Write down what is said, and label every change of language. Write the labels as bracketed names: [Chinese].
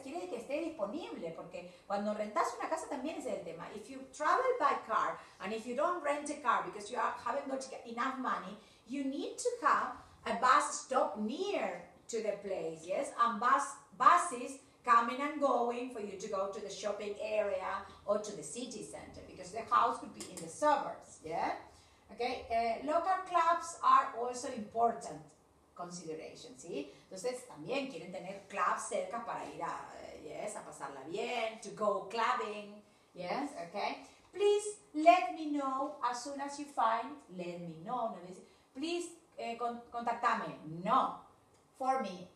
[Spanish] Quiere decir que esté disponible, porque cuando rentas una casa también es el tema. [English] If you travel by car, and if you don't rent a car because you haven't got enough money, you need to have a bus stop near to the place, yes? And buses coming and going for you to go to the shopping area or to the city center, because the house could be in the suburbs, yeah? Okay, local clubs are also important. Consideration, ¿sí? [Spanish] Entonces, también quieren tener clubs cerca para ir a, yes, a pasarla bien, [English] to go clubbing, [Spanish] yes, okay. [English] Please let me know as soon as you find, let me know, [Spanish] no dice, [English] please contactame, no, for me.